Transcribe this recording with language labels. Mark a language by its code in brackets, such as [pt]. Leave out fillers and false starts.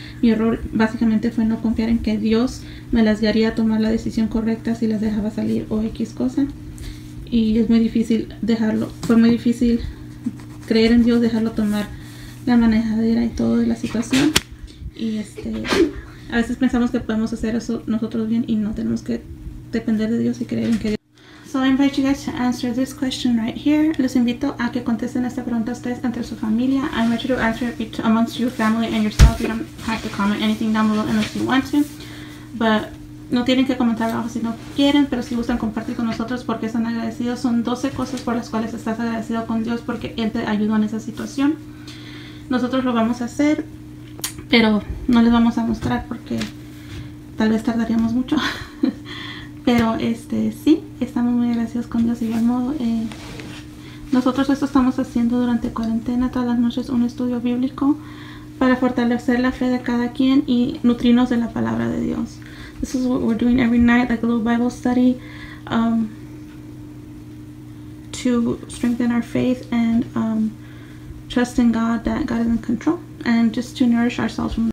[es] Mi error básicamente fue no confiar en que Dios me las guiaría a tomar la decisión correcta si las dejaba salir o X cosa. Y es muy difícil dejarlo. Fue muy difícil creer en Dios, dejarlo tomar la manejadera y todo de la situación. Y a veces pensamos que podemos hacer eso nosotros bien y no tenemos que depender de Dios y creer en que Dios. [en] So I invite you guys to answer this question right here. [es] Los invito a que contesten esta pregunta ustedes entre su familia. [en] I invite you to answer it amongst your family and yourself. You don't have to comment anything down below unless you want to. [es] But no tienen que comentar abajo si no quieren, pero si gustan compartir con nosotros porque están agradecidos. Son 12 cosas por las cuales estás agradecido con Dios porque Él te ayudó en esa situación. Nosotros lo vamos a hacer, pero no les vamos a mostrar porque tal vez tardaríamos mucho. Pero sí, estamos muy agradecidos con Dios. De igual modo, nosotros esto estamos haciendo durante cuarentena, todas las noches un estudio bíblico para fortalecer la fe de cada quien y nutrirnos de la palabra de Dios. [en] This is what we're doing every night, like a little Bible study, to strengthen our faith and trust in God, that God is in control, and just to nourish ourselves from